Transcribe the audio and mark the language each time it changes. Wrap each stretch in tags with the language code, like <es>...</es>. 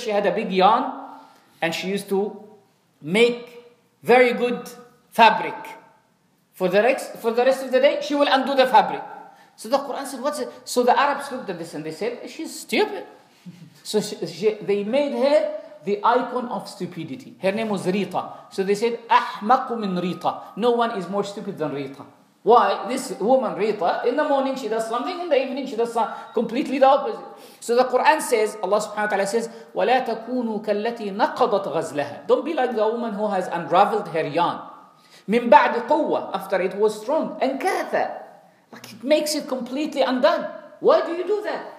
<en>She had a big yarn, and she used to make very good fabric. For the rest of the day, she will undo the fabric. So the Quran said, what's it? So the Arabs looked at this and they said, she's stupid. So they made her the icon of stupidity. Her name was Rita. So they said,</en> <ar>أحمق من ريطة.</ar> <en>No one is more stupid than Rita. Why? This woman, Rita, in the morning she does something, in the evening she does something, completely the opposite. So the Quran says, Allah subhanahu wa ta'ala says,</en> <ar>وَلَا تَكُونُوا كَالَّتِي نَقَضَتْ غَزْلَهَا.</ar> <en>Don't be like the woman who has unraveled her yarn.</en> <ar>مِن بَعْدِ قُوَّةٍ.</ar> <en>After it was strong. And كَاثَ. Like it makes it completely undone. Why do you do that?</en>